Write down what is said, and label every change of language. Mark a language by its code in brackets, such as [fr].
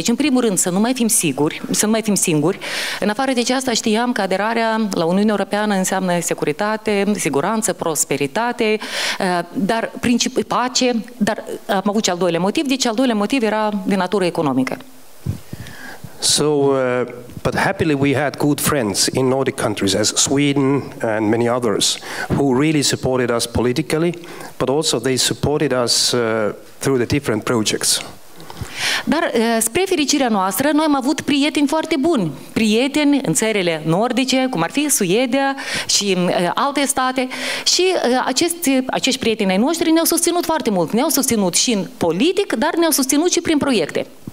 [ro] Deci, în primul rând, să nu mai fim singuri. În afară de aceasta, știam că aderarea la Uniunea Europeană înseamnă securitate, siguranță, prosperitate, dar pace, dar am avut și al doilea motiv. Deci, al doilea motiv era de natură economică. [en] So, but happily we had good friends in Nordic countries as Sweden and many others who really supported us politically, but also they supported us through the different projects. [ro] Dar spre fericirea noastră, noi am avut prieteni foarte buni, prieteni în țările nordice, cum ar fi Suedia și alte state, și acești prieteni ai noștri ne-au susținut foarte mult, ne-au susținut și în politic, dar ne-au susținut și prin proiecte.